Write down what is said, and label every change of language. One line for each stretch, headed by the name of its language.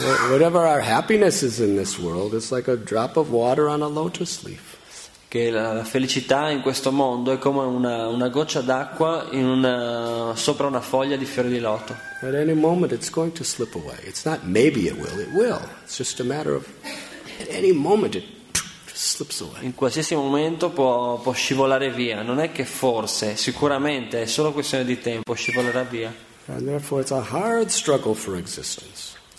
English: Whatever our happiness is in this world, it's like a drop of water on a lotus leaf.
Italian: Che la felicità in questo mondo è come una goccia d'acqua in una, sopra una foglia di fiore di loto.
English: At any moment it's going to slip away. It's not maybe it will. It's just a matter of at any moment it slips away.
Italian: In qualsiasi momento può scivolare via. Non è che forse, sicuramente, è solo questione di tempo, scivolerà via.
English: And therefore it's a hard struggle for existence.